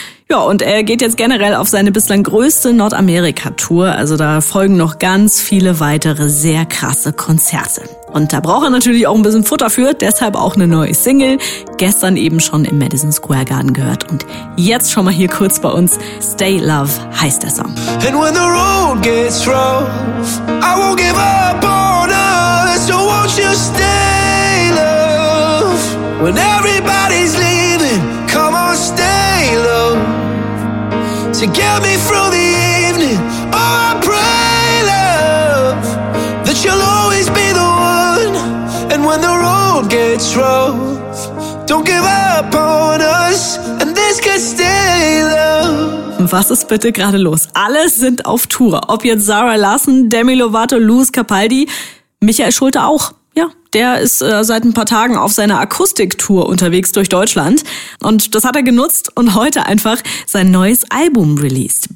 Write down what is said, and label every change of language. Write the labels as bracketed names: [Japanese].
[German] Ja, und er geht jetzt generell auf seine bislang größte Nordamerika-Tour. Also da folgen noch ganz viele weitere sehr krasse Konzerte. Und da braucht er natürlich auch ein bisschen Futter für. Deshalb auch eine neue Single. Gestern eben schon im Madison Square Garden gehört. Und jetzt schon mal hier kurz bei uns. Stay Love heißt der Song. [English] And when the road gets rough, I won't give up on us. So won't you stay, love? When everybody's leaving, come on, stay, love. To get me through the evening, oh, I pray, love, that you'll always be the one. And when the road gets rough, don't give up on us, and this could stay, love. [German] Was ist bitte gerade los? Alle sind auf Tour. Ob jetzt Sarah Larsson, Demi Lovato, Luis Capaldi, Michael Schulte auch, ja, der ist seit ein paar Tagen auf seiner Akustiktour unterwegs durch Deutschland und das hat er genutzt und heute einfach sein neues Album released.